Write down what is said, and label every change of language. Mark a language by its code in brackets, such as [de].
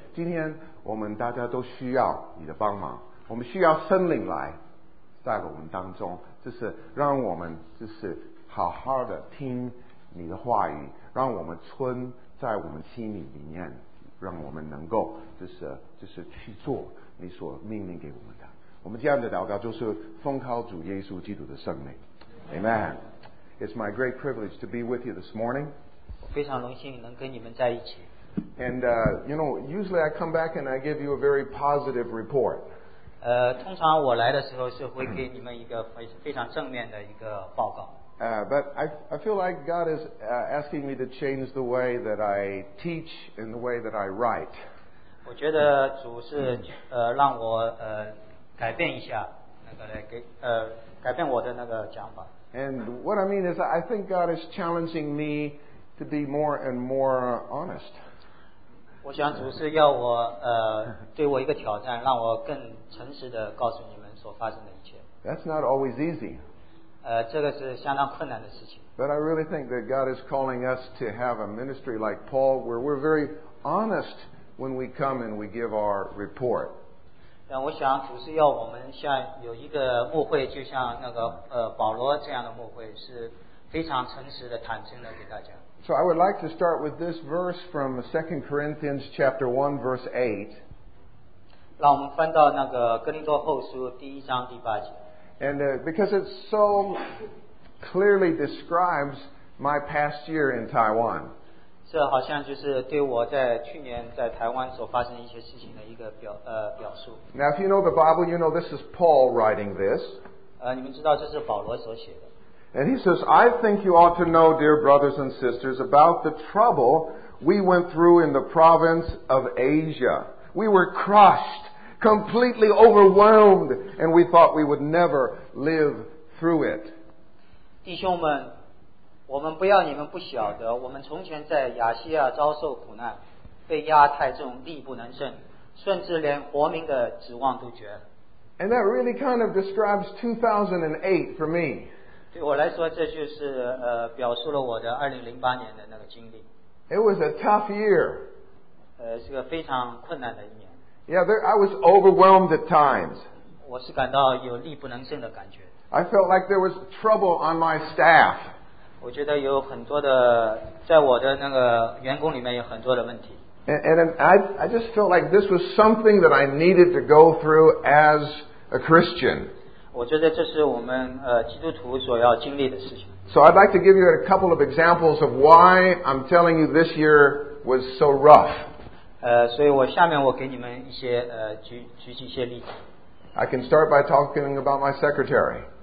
[zh] 今天我们大家都需要你的帮忙，我们需要圣灵来在我们当中，就是让我们就是好好的听你的话语，让我们存在我们心里面，让我们能够就是去做你所命令给我们的。我们这样的祷告就是奉靠主耶稣基督的圣名， Amen. [en] It's my great privilege to be with you this morning. [zh] 我非常荣幸能跟你们在一起。 [en] And you know, usually I come back and I give you a very positive report. [zh] 通常我来的时候是会给你们一个非常正面的一个报告。 [en] But I feel like God is asking me to change the way that I teach and the way that I write. [zh] 我觉得主是让我改变一下那个来给改变我的那个讲法。 [en] And what I mean is, I think God is challenging me to be more and more honest. [zh] 我想主是要我对我一个挑战，让我更诚实的告诉你们所发生的一切。 [en] That's not always easy. [zh] 这个是相当困难的事情。 [en] But I really think that God is calling us to have a ministry like Paul, where we're very honest when we come and we give our report. [zh] 我想主是要我们像有一个牧会，就像那个保罗这样的牧会，是非常诚实的、坦诚的给大家。 [en] So I would like to start with this verse from 2 Corinthians chapter 1 verse 8. [zh] 让我们翻到那个哥林多后书第一章第八节。 [en] And because it so clearly describes my past year in Taiwan. [zh] 这好像就是对我在去年在台湾所发生的一些事情的一个表述。 [en] Now, if you know the Bible, you know this is Paul writing this. [zh] 你们知道这是保罗所写的。 [en] And he says, I think you ought to know, dear brothers and sisters, about the trouble we went through in the province of Asia. We were crushed, completely overwhelmed, and we thought we would never live through it. [zh] 弟兄们，我们不要你们不晓得，我们从前在亚细亚遭受苦难，被压太重，力不能胜，甚至连活命的指望都绝。 [en] And that really kind of describes 2008 for me. [zh] 对我来说，这就是表述了我的2008年的那个经历。 [en] It was a tough year. [zh] 是个非常困难的一年。 [en] Yeah, I was overwhelmed at times. [zh] 我是感到有力不能胜的感觉。 [en] I felt like there was trouble on my staff. [zh] 我觉得有很多的，在我的那个员工里面有很多的问题。 [en] And I just felt like this was something that I needed to go through as a Christian. [zh] 我觉得这是我们基督徒所要经历的事情。 [en] So I'd like to give you a couple of examples of why I'm telling you this year was so rough. [zh] 所以我下面我给你们一些举举一些例子。 [en] I can start by talking about my secretary.